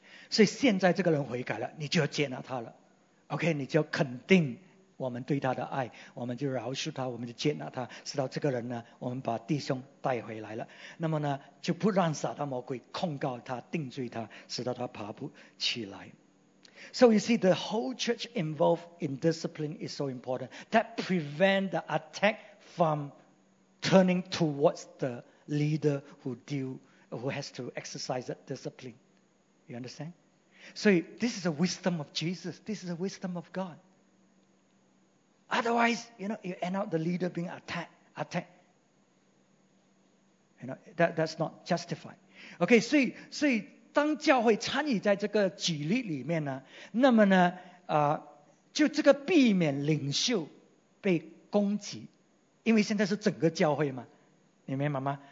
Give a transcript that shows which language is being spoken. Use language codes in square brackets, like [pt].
[zh] 所以现在这个人悔改了，你就要接纳他了。OK, 你就要肯定。我们对他的爱，我们就饶恕他，我们就接纳他，直到这个人呢，我们把弟兄带回来了，那么呢，就不让撒旦魔鬼控告他、定罪他，直到他爬不起来。 [en] So you see, the whole church involved in discipline is so important. That prevents the attack from turning towards the leader who has to exercise that discipline. You understand? So this is the wisdom of Jesus. This is the wisdom of God. Otherwise, you know, you end up the leader being attacked. You know, that's not justified. [zh] Okay, so 当教会参与在这个纪律里面呢，那么呢，就这个避免领袖被攻击，因为现在是整个教会嘛，你明白吗？